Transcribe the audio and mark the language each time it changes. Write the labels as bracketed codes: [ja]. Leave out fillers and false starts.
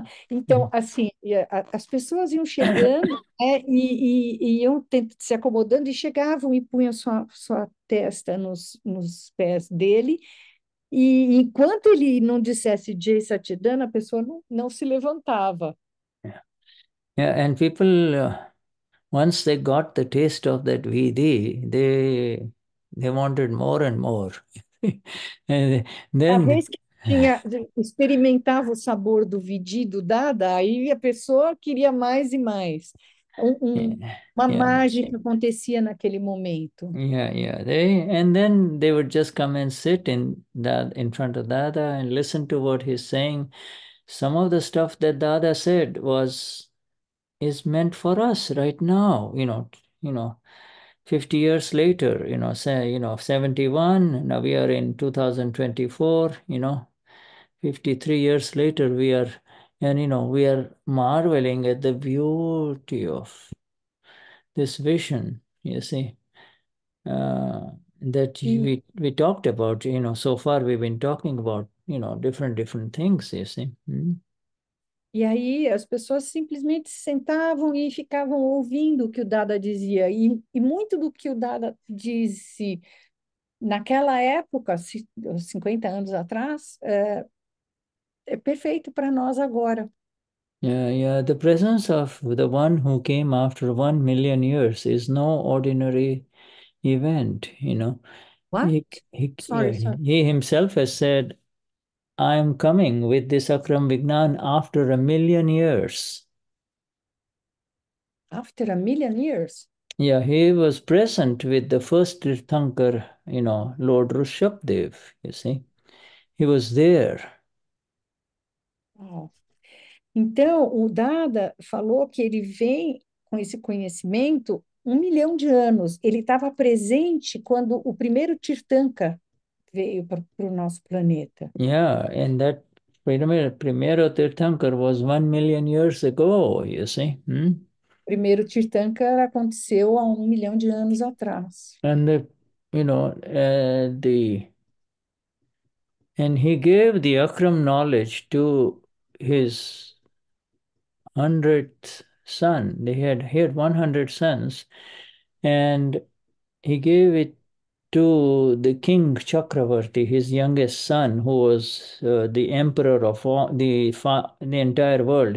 [pt] Então, assim, as pessoas iam chegando, né, e iam se acomodando e chegavam e punham sua testa nos pés dele. E enquanto ele não dissesse Jai Satidana, a pessoa não se levantava. [en] Yeah, and people, once they got the taste of that vidhi, they wanted more and more. [pt] A vez que experimentava o sabor do vidido Dada, aí a pessoa queria mais e mais. Uma mágica acontecia naquele momento. [en] They would just come and sit in front of Dada and listen to what he's saying. Some of the stuff that Dada said is meant for us right now, 50 years later, say, 71, now we are in 2024, 53 years later, we are marveling at the beauty of this vision, you see, that we talked about. So far we've been talking about, different things, you see. [pt] E aí as pessoas simplesmente sentavam e ficavam ouvindo o que o Dada dizia. E muito do que o Dada disse naquela época, 50 anos atrás, é perfeito para nós agora. [en] The presence of the one who came after 1 million years is no ordinary event, you know. What? Sorry, yeah, he himself has said, I am coming with this Akram Vignan after 1 million years. After 1 million years? Yeah, he was present with the first Tirthankar, you know, Lord Rushabdev, you see. He was there. Oh. [pt] Então, o Dada falou que ele vem com esse conhecimento 1 milhão de anos. Ele estava presente quando o primeiro Tirthanka veio para o nosso planeta. [en] Yeah, and that [pt] primeiro [en] Tirthankar was 1 million years ago, you see. [pt] Primeiro Tirthanka aconteceu há 1 milhão de anos atrás. [en] And the, you know, the and he gave the Akram knowledge to his 100th son. He had 100 sons, and he gave it to the King Chakravarti, his youngest son, who was the emperor of all, the entire world.